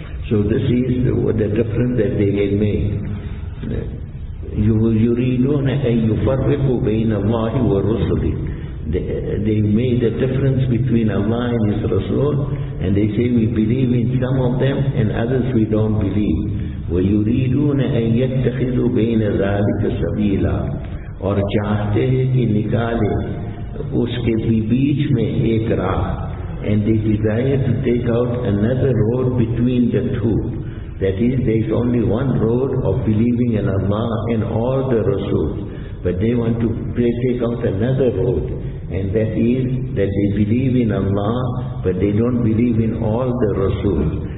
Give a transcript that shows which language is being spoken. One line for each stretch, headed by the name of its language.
English: So this is the difference that they have made.
Arabic: يُرِيدُونَ أَن يُفَرِّقُوا بَيْنَ اللَّهِ وَرُسُلِهِ.
English: They made a difference between Allah and His Rasul, and they say we believe in some of them and others we don't believe.
Arabic: وَيُرِيدُونَ أَن يَتَّخِذُوا بَيْنَ ذَلِكَ سَبِيلًا.
Urdu: اور چاہتے ہیں کہ نکالے اس کے بھی بیچ میں ایک راہ.
English: And they desire to take out another road between the two. That is, there is only one road of believing in Allah and all the Rasul. But they want to take out another road. And that is that they believe in Allah, but they don't believe in all the Rasul.